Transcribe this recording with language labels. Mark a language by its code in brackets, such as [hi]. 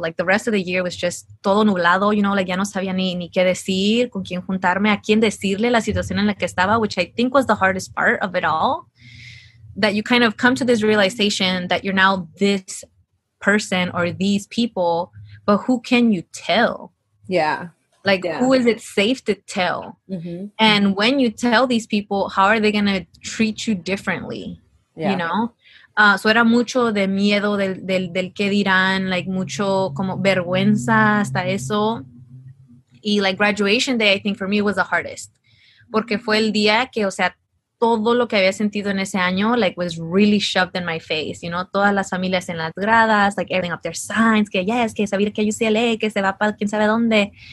[en] Like, the rest of the year was just [es] todo nublado, [en] you know, like, [es] ya no sabía ni qué decir, con quién juntarme, a quién decirle la situación en la que estaba, [en] which I think was the hardest part of it all, that you kind of come to this realization that you're now this person or these people, but who can you tell? Yeah. Like, who is it safe to tell? Mm-hmm. And when you tell these people, how are they going to treat you differently? Yeah. You know? [es] So era mucho de miedo del que dirán, like mucho como vergüenza hasta eso. [en] Y like graduation day, I think for me was the hardest. [es] Porque fue el día que, o sea, todo lo que había sentido en ese año, like, [en] was really shoved in my face, you know? [es] Todas las familias en las gradas, like, [en] airing up their signs, [es] que yes, que saber que UCLA, que se va para quien sabe dónde.